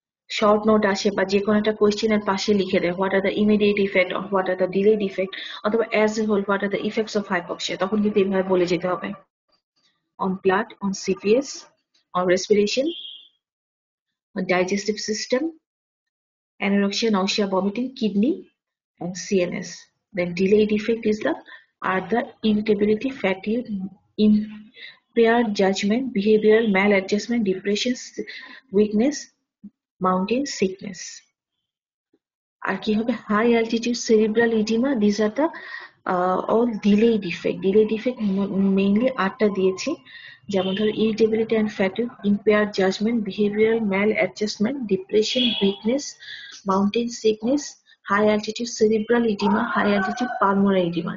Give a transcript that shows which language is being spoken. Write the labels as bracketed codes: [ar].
[bn] Short note আসে বা যে কোনো একটা কোয়েশ্চেনের পাশে লিখে দেয়, [en] What are the immediate effect, what are the delayed effect, অথবা as a whole what are the effects of hypoxia. [bn] তখন কিন্তু এইভাবে বলে যেতে হবে, [en] On blood, on CPS, on respiration, on digestive system, anorexia, nausea, vomiting, kidney and CNS. Then delayed effect is the are the irritability, fatigue, impaired judgment, behavioral maladjustment, depression, weakness, mounting sickness. [bn] আর কি হবে, [en] High altitude cerebral oedema, these are the all delayed effect. Delayed effect mainly [bn] আটটা দিয়েছি, যেমন ধরো [en] Irritability and fatigue, impair judgement, behavioural maladjustment, depression, weakness, mountain sickness, high altitude cerebral oedema, high altitude pulmonary oedema.